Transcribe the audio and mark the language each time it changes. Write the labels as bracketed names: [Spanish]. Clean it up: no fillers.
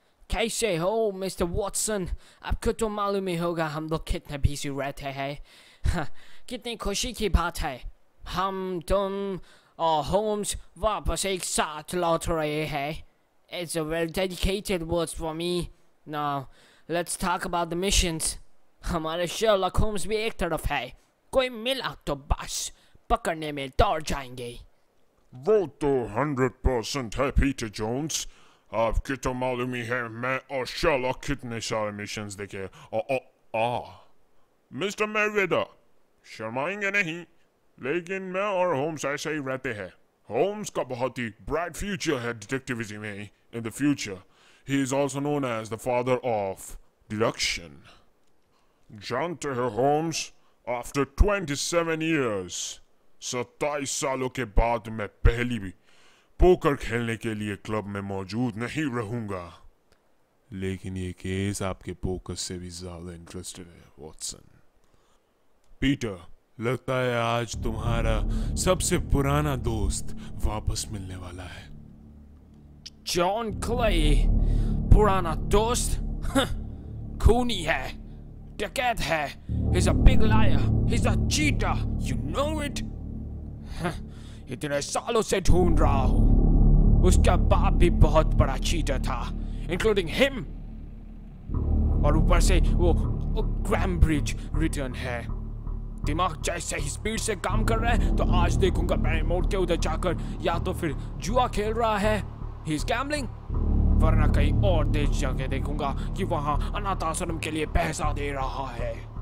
[Hindi] कैसे हो mister Watson? आपको तो मालूम ही होगा हम लोग कितने बिजी रहते हैं. कितनी खुशी की बात है हम तुम और होम्स वापस एक साथ लौट रहे हैं. [English] It's a well dedicated words for me. Now Let's talk about the missions. [Hindi] हमारे शर्लॉक होम्स भी एक तरफ है, कोई मिला तो बस पकड़ने में दौड़ जाएंगे. वो तो 100% है पीटर जोन्स. आपके तो मालूम ही है मैं और शर्लॉक कितने सारे मिशंस देखे. मिस्टर मेरीवेदर शर्माएंगे नहीं, लेकिन मैं और होम्स ऐसे ही रहते हैं. होम्स का बहुत ही ब्राइट फ्यूचर है डिटेक्टिविज्म में. [English] In the future He is also known as the father of deduction. [Hindi] जानते हो होम्स, [English] after 27 years, [Hindi] 27 सालों के बाद मैं पहली भी पोकर खेलने के लिए क्लब में मौजूद नहीं रहूंगा. लेकिन ये केस आपके पोकर से भी ज्यादा इंटरेस्टेड है वॉटसन. पीटर, लगता है आज तुम्हारा सबसे पुराना दोस्त वापस मिलने वाला है। जॉन क्ले, पुराना दोस्त? खूनी है, डकैत है, [English] he's a big liar, he's a cheater, you know it? [Hindi] इतने सालों से ढूंढ रहा हूँ। उसका बाप भी बहुत बड़ा चीटर था, [English] including him। [Hindi] और ऊपर से वो ग्रैमब्रिज रिटर्न है। दिमाग जैसे ही स्पीड से काम कर रहा है, तो आज देखूंगा मैं मोड़ के उधर जाकर, या तो फिर जुआ खेल रहा है, [English] he's gambling, [Hindi] वरना कहीं और देश जाके देखूंगा कि वहां अनाथ आश्रम के लिए पैसा दे रहा है।